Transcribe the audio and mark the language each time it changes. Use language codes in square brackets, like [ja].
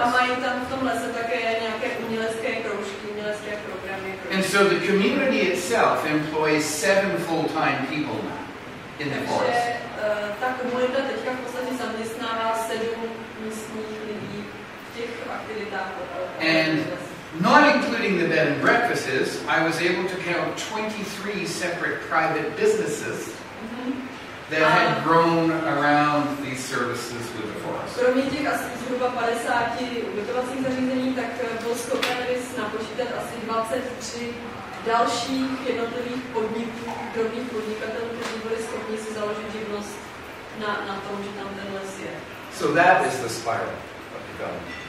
[cs] A mají tam v tom lese také nějaké umělecké kroužky, umělecké programy. [en] And so the community itself employs 7 full-time people now in the forest. [cs] Takže ta komunita teďka v podstatě zaměstnává 7 místních lidí v těch aktivitách. [en] And not including the bed and breakfasts, I was able to count 23 separate private businesses that had grown around these services with the forest. [cs] Kromě těch asi zhruba 50 ubytovacích zařízení, tak byl schopen bys napočítat asi 23 dalších jednotlivých podniků, drobných podnikatelů, kteří byli schopni si založit živnost na tom, že tam ten les je. [en] So that is the spiral of development.